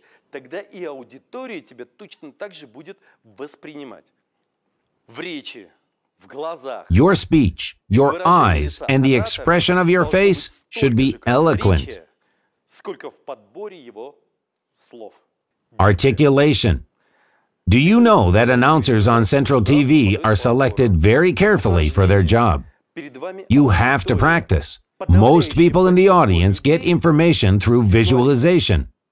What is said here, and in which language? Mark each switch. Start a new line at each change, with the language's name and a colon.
Russian: Тогда и аудитория тебя точно так же будет воспринимать. В речи, в глазах.
English: Your speech, your eyes, and the expression of your face should be eloquent.
Russian: Сколько в подборе его слов.
English: Articulation. Do you know that announcers on Central TV are selected very carefully for their job? You have to practice. Most people in the audience get information through visualization.